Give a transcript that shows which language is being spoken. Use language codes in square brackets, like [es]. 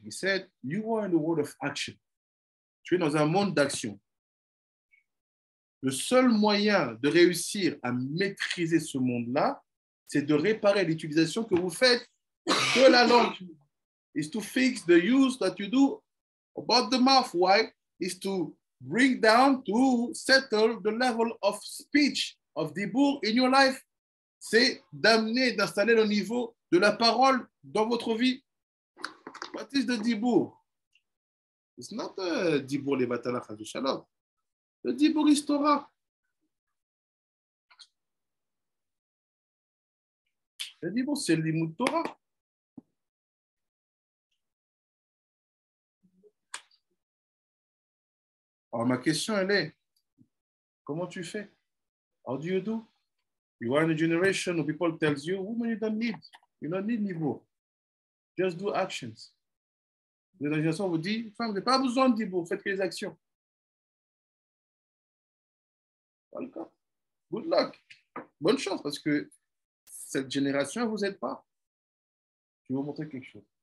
[en] He said, you are in the world of action. [fr] Tu es dans un monde d'action. Le seul moyen de réussir à maîtriser ce monde-là, c'est de réparer l'utilisation que vous faites de la langue. [en] It's to fix the use that you do about the mouth. Why? It's to bring down, to settle the level of speech of dibour in your life. [fr] C'est d'amener, d'installer le niveau de la parole dans votre vie. [en] What is the dibour? It's not a dibour le matin, Chas v'Shalom. Le dibour is Torah. [fr] Le dibour, c'est le limud Torah. Alors, ma question, elle est, comment tu fais? [en] How do you do? You are in a generation where people tell you, woman, you don't need. You don't need dibour. Just do actions. [fr] La génération vous dit, femme, vous n'avez pas besoin de dibour, faites que les actions. [en] Welcome. Good luck. [fr] Bonne chance, parce que cette génération, elle ne vous aide pas. Je vais vous montrer quelque chose.